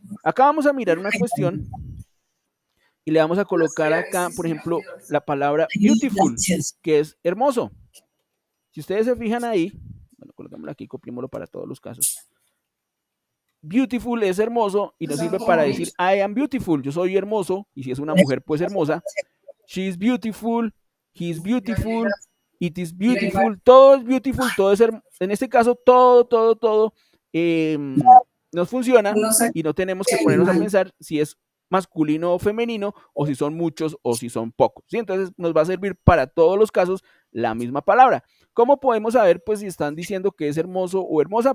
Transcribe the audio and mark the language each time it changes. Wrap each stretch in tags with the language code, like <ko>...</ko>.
<es>Acá vamos a mirar una cuestión. Y le vamos a colocar acá, por ejemplo, la palabra beautiful, que es hermoso. Si ustedes se fijan ahí, bueno, colocámoslo aquí, copiémoslo para todos los casos. Beautiful es hermoso y nos sirve para decir</es> <en>I am beautiful,</en> <es>yo soy hermoso, y si es una mujer, pues hermosa.</es> <en>She is beautiful, he is beautiful, it is beautiful,</en> <es>todo es beautiful, todo es hermoso. En este caso, todo nos funciona y no tenemos que ponernos a pensar si es masculino o femenino, o si son muchos o si son pocos, ¿sí? Entonces nos va a servir para todos los casos la misma palabra. ¿Cómo podemos saber, pues, si están diciendo que es hermoso o hermosa?</es>